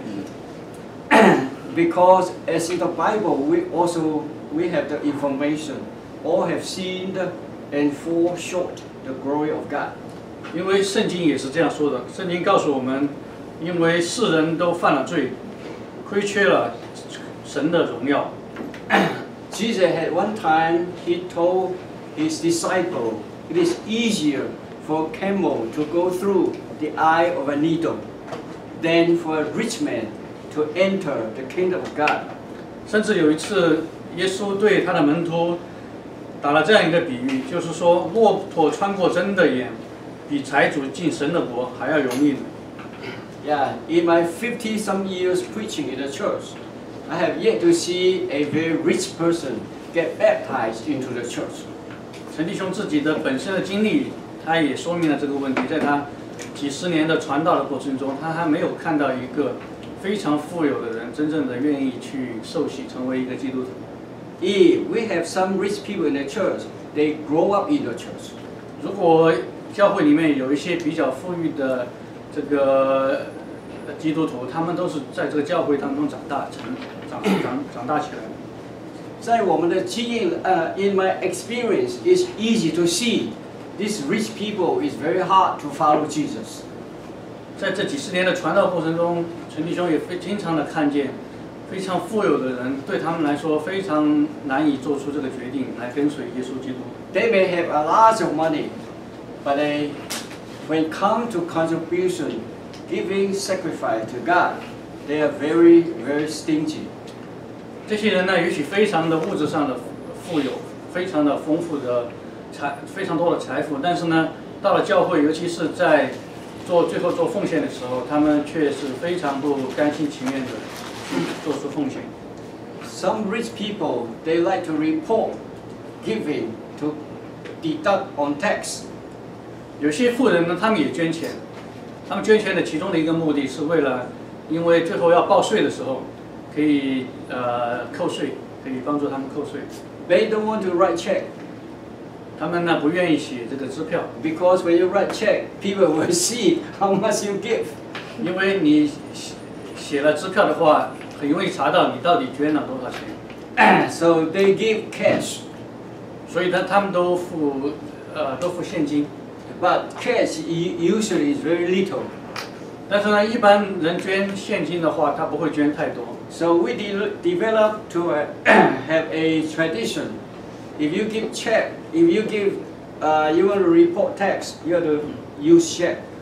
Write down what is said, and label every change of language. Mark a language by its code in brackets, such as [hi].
[zh] 我们大家都知道，一个人要成为一个完美的人，从人的角度来说是不可能的。非常好，翻译，这个厉害。 [en] Because as in the Bible, we have the information, all have sinned and fall short. The glory of God. [zh] 因为圣经也是这样说的，圣经告诉我们，因为世人都犯了罪，亏缺了神的荣耀。 [en] Jesus had one time, he told his disciple, it is easier for a camel to go through the eye of a needle than for a rich man to enter the kingdom of God. [zh] 甚至有一次，耶稣对他的门徒打了这样一个比喻，就是说，骆驼穿过针的眼，比财主进神的国还要容易。 [en] Yeah, in my 50 some years preaching in the church, I have yet to see a very rich person get baptized into the church. [zh] 陈弟兄自己的本身的经历，他也说明了这个问题，在他几十年的传道的过程中，他还没有看到一个非常富有的人真正的愿意去受洗成为一个基督徒。 [en] If we have some rich people in the church, they grow up in the church. [zh] 如果教会里面有一些比较富裕的这个基督徒，他们都是在这个教会当中长大成 长大起来的。在我们的经验 [en] in my experience, it's easy to see these rich people is very hard to follow Jesus. [zh] 在这几十年的传道过程中，陈弟兄也非经常的看见非常富有的人对他们来说非常难以做出这个决定来跟随耶稣基督。 [en] They may have a lot of money, but they, when it comes to contribution, giving sacrifice to God, they are very, very stingy. [zh] 这些人呢，也许非常的物质上的富有，非常的丰富的财，非常多的财富，但是呢，到了教会，尤其是在做最后做奉献的时候，他们却是非常不甘心情愿的做出奉献。 [en] Some rich people, they like to report giving to deduct on tax. [zh] 有些富人呢，他们也捐钱，他们捐钱的其中的一个目的是为了，因为最后要报税的时候，可以扣税，可以帮助他们扣税。 [en] They don't want to write check. [zh] 他们呢不愿意写这个支票。 [en] Because when you write check, people will see how much you give. [zh] 因为你写了支票的话，很容易查到你到底捐了多少钱。 [en] So they give cash. [zh] 所以呢，他们都付现金。 [en] But cash usually is very little. [zh] 但是呢，一般人捐现金的话，他不会捐太多。 [en] So we develop to have a tradition. If you give check, if you give, you want to report tax, you have to use check.